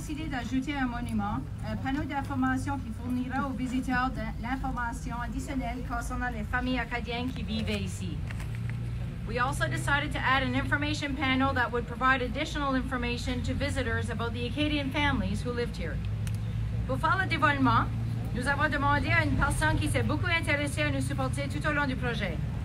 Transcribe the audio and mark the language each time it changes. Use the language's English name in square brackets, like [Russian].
[French] D'ajouter un monument, un panneau d'information qui fournira aux visiteurs de l'information additionnelle concernant les familles acadiennes qui vivent ici. [English] We also decided to add an information panel that would provide additional information to visitors about the Acadian families who lived here. [French] Pour faire le dévoilement, nous avons demandé à une personne qui s'est beaucoup intéressée à nous supporter tout au long du projet.